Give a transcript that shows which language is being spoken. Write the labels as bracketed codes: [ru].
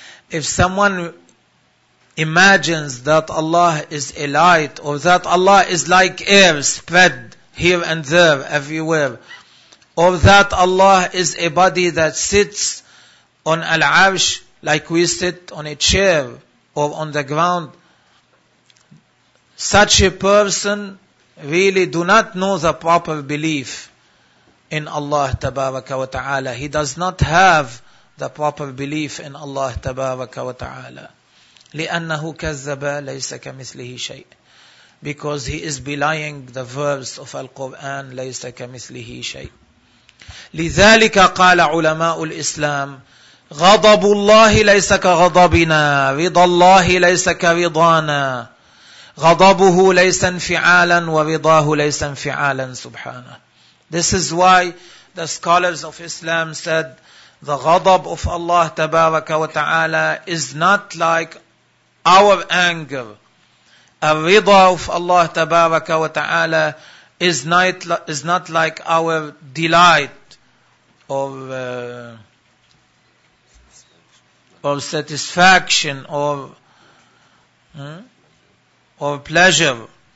[en] If someone imagines that Allah is a light or that Allah is like air spread here and there, everywhere, or that Allah is a body that sits on al-arsh like we sit on a chair or on the ground, such a person really do not know the proper belief in Allah tabaraka wa ta'ala. He does not have the proper belief in Allah tabaraka wa ta'ala. [ar] لِأَنَّهُ كَذَّبَ لَيْسَ كَمِثْلِهِ شَيْءٍ. [en] Because he is belying the verse of Al-Quran, [ar] لَيْسَ كَمِثْلِهِ شَيْءٍ. لذلك قال علماء الإسلام غضب الله ليس كغضبنا، رضا الله ليس كرضانا، غضبه ليس انفعالا ورضاه ليس انفعالا سبحانه. [en] This is why the scholars of Islam said the غضب of Allah [ar] تبارك وتعالى [en] is not like our anger. الرضا of Allah [ar] تبارك وتعالى [en] is not like our delight or satisfaction or pleasure.